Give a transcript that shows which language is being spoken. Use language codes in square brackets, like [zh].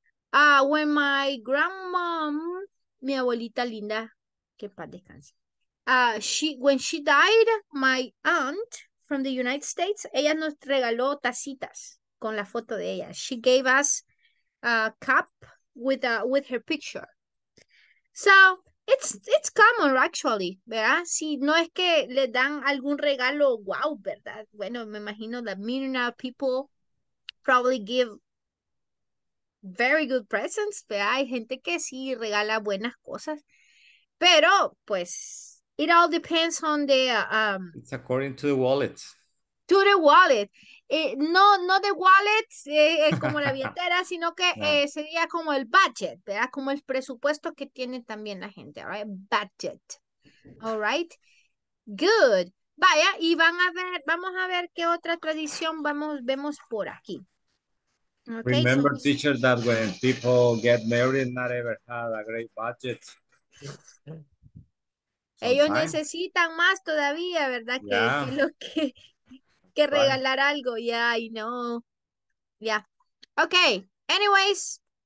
[en] When my grandmom, [es] mi abuelita linda, que paz descanse, [en] when she died, my aunt from the United States, [es] ella nos regaló tacitas con la foto de ella. [en] She gave us a cup with her picture. So it's common actually, ¿verdad? [es] Si no es que le dan algún regalo, wow, ¿verdad? Bueno, me imagino [en] that millionaire people probably give very good presents, ¿verdad? [es] Hay gente que sí regala buenas cosas. Pero pues [en] it all depends on the It's according to the wallet. To the wallet. No, no the wallet, [es] como la billetera, sino que [en] No. [es] sería como el budget, ¿verdad? Como el presupuesto que tiene también la gente, [en] right? Budget. All right. Good. [es] Vaya, y van a ver, vamos a ver qué otra tradición vamos, vemos por aquí. [en] Okay, Remember, so... teacher, that when people get married, not ever had a great budget. [es] Ellos [en] Sometimes. [es] necesitan más todavía, ¿verdad? Que [en] Yeah. [es] lo que regalar algo. [en] Yeah, I know. Yeah. Okay. Anyways.